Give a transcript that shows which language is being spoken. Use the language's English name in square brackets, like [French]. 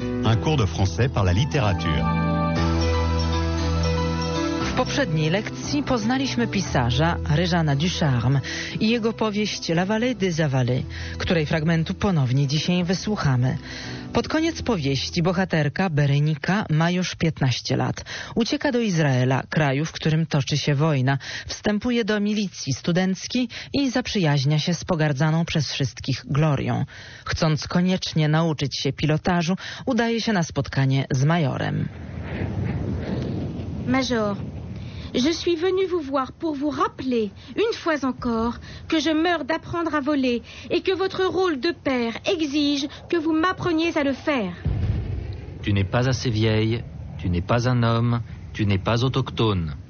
[French] Un cours de français par la littérature. [Polish] W poprzedniej lekcji poznaliśmy pisarza Ryżana Ducharme i jego powieść La Vallée des Avalées, której fragmentu ponownie dzisiaj wysłuchamy. Pod koniec powieści bohaterka Berenika ma już 15 lat. Ucieka do Izraela, kraju, w którym toczy się wojna. Wstępuje do milicji studenckiej i zaprzyjaźnia się z pogardzaną przez wszystkich Glorią. Chcąc koniecznie nauczyć się pilotażu, udaje się na spotkanie z majorem. [French] Major, je suis venu vous voir pour vous rappeler, une fois encore, que je meurs d'apprendre à voler et que votre rôle de père exige que vous m'appreniez à le faire. Tu n'es pas assez vieille, tu n'es pas un homme, tu n'es pas autochtone.